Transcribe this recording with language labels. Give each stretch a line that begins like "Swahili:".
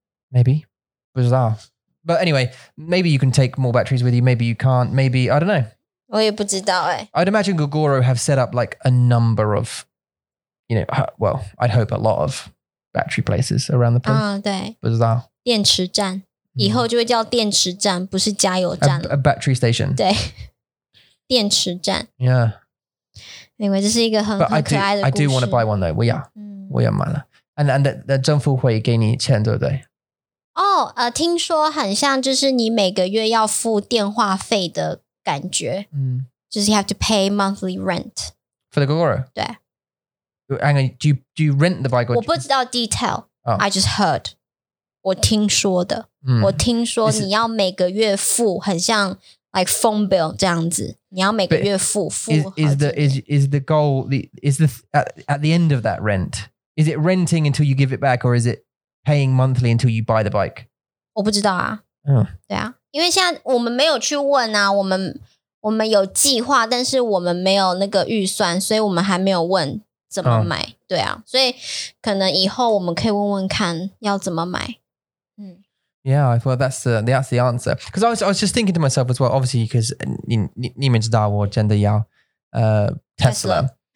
English: Maybe.
Chinese: 不知道。
English: But anyway, maybe you can take more batteries with you. Maybe you can't. Maybe, I don't know.
Chinese: 我也不知道欸。
English: I'd imagine Gogoro have set up like a number of, you know, well, I'd hope a lot of battery places around the place.
Chinese: 对。不知道。电池站。以后就会叫电池站,不是加油站。
English: A battery station.
Chinese: 对。电池站。
English: Yeah. Anyway, this is a very cute story. I do want to buy one though.
Chinese: 我要,我要买了。
English: And the
Chinese: 政府会给你钱,对不对? Oh, 听说很像就是你每个月要付电话费的感觉。嗯。就是
English: you have to pay monthly rent. For the Gogoro?
Chinese: 对。
English: Hang on, do you rent the bike?
Chinese: 我不知道
English: detail.、 Oh. I just heard.
Chinese: 我听说的。我听说你要每个月付很像
English: like phone bill
Chinese: 这样子。你要每个月付
English: is the goal at the end of that rent? Is it renting until you give it back or is it paying monthly until you buy the bike?
Chinese: 我不知道啊。嗯、对啊。因为现在我们没有去问啊我们有计划但是我们没有那个预算所以我们还没有问怎么买。哦、对啊。所以可能以后我们可以问问看要怎么买。
English: Yeah, well, that's the answer. Because I was just thinking to myself as well, obviously, because
Chinese: 你们知道我真的要Tesla.